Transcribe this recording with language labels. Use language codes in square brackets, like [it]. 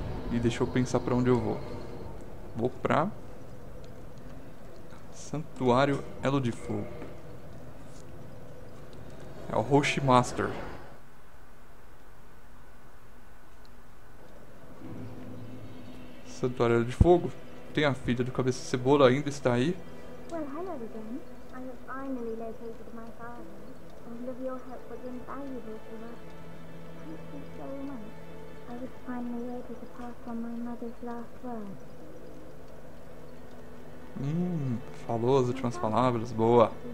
[pt] E deixa eu pensar pra onde eu vou. Vou pra Santuário Elo de Fogo. É o Roshi Master. Santuário Elo de Fogo? Tem a filha do Cabeça de Cebola, ainda está aí? [en] Well, hello again. I have finally located my father. All of your help was invaluable to us. Thank you so much. I was finally able to pass on my mother's last words. [pt] Falou as últimas palavras, boa.